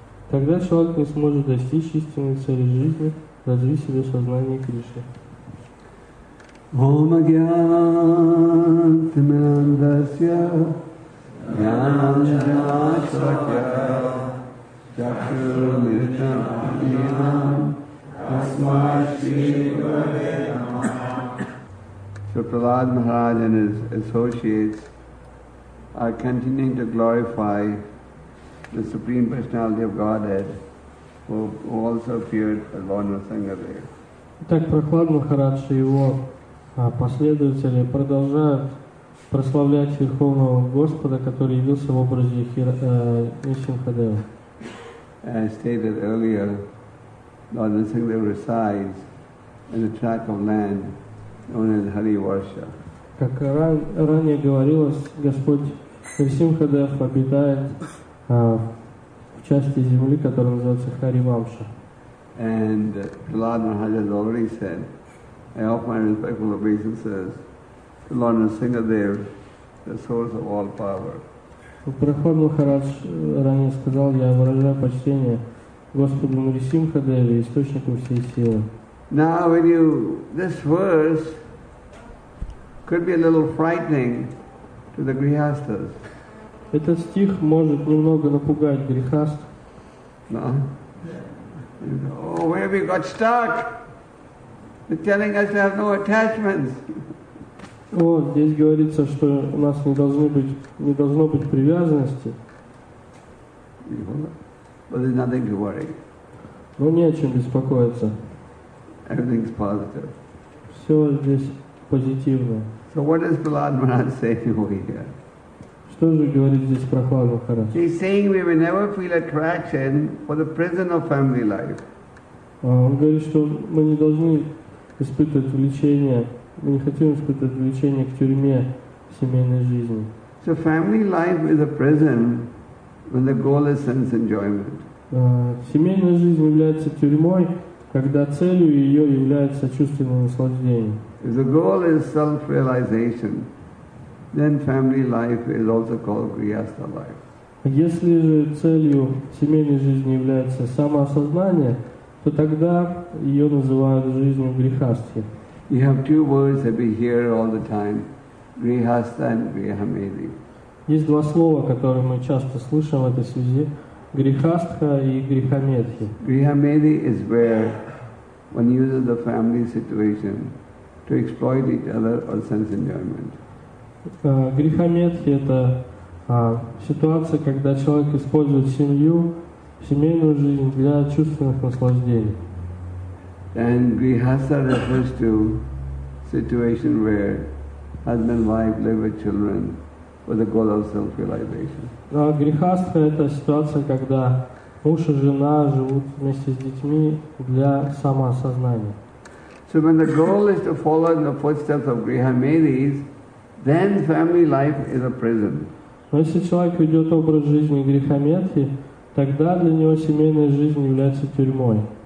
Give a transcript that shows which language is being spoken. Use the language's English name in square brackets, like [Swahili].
[Russian] Тогда человек не сможет достичь истинной цели жизни, развить себе сознание Кришны. [Sanskrit] Ом агьянтмандасья гьянанджанасакья чакшурмиджанамьянам [English] So Prahlad Maharaj and his associates are continuing to glorify the Supreme Personality of Godhead, who also appeared as Lord Nrsingadev. [Russian] Так Прахлад Махарадж и его последователи продолжают прославлять Верховного Господа, который явился в образе Нрсимхадева. [English] As stated earlier, Lord Nrsingadev resides in a tract of land known as Hariwarsha. [Russian] Как ранее говорилось, Господь Нрсимхадев обитает в части земли, которая называется Харивамша. [English] And Prahlad Maharaj has already said, I offer my respectful obeisances to Lord Nrsimhadev, the source of all power. [Russian] Прахлад Махарадж ранее сказал, я выражаю почтение Господу Нрисимхадеве, источнику всей силы. [English] Now when you, this verse could be a little frightening to the grihasthas. [Russian] Этот стих может немного напугать грихаст. [English] No? Oh, where have you got stuck? They're telling us to have no attachments. [Russian] Вот, здесь говорится, что у нас не должно быть привязанности. [English] But there's nothing to worry. [Russian] Но не о чем беспокоиться. [English] Everything's positive. [Russian] Все здесь позитивно. [English] So what does Prahlad Maharaj say to you here? [Russian] Что же говорит здесь Прахлад Махарадж? [English] He's saying we will never feel attraction for the prison of family life. [Russian] Он говорит, что мы не должны испытывать влечение, мы не хотим испытывать влечение к тюрьме семейной жизни. [English] So family life is a prison when the goal is sense enjoyment. [Russian] Семейная жизнь является тюрьмой, когда целью ее является чувственное наслаждение. [English] If the goal is self-realization, then family life is also called Grihastha life. [Russian] Если же целью семейной жизни является самоосознание, то тогда ее называют жизнью грихастхи. [English] You have two words that we hear all the time, Grihastha and Grihamedi. [Russian] Есть два слова, которые мы часто слышим в этой связи, грихастха и грихамедхи. [English] Грихамедхи is where one uses the family situation to exploit each other or sense enjoyment. [Russian] Грихамедхи это ситуация, когда человек использует семью, семейную жизнь для чувственных наслаждений. [English] And grihastha refers to situation where husband and wife live with children with the goal of self-realization. [Russian] Грихастха это ситуация, когда муж и жена живут вместе с детьми для самоосознания. [English] So when the goal is to follow in the footsteps of grihamedis, then family life is a prison. [Russian] Но если человек ведет образ жизни грихамедхи, тогда для него семейная жизнь является тюрьмой.